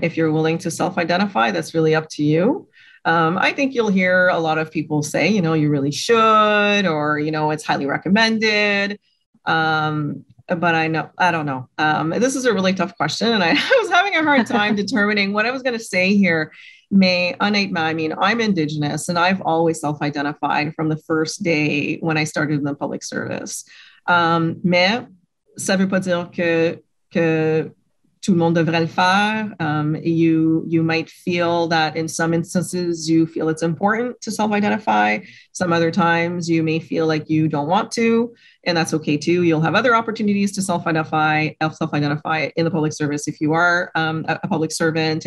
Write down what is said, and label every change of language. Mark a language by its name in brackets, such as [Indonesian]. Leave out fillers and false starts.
[English] If you're willing to self-identify, that's really up to you. I think you'll hear a lot of people say, you know, you really should, or, you know, it's highly recommended. But I don't know. This is a really tough question. And I was having a hard time determining what I was going to say here. I'm Indigenous and I've always self-identified from the first day when I started in the public service. [French] Mais ça veut pas dire que tout le monde devrait le faire. [English] You might feel that in some instances you feel it's important to self-identify. Some other times you may feel like you don't want to, and that's okay too. You'll have other opportunities to self-identify in the public service if you are a public servant.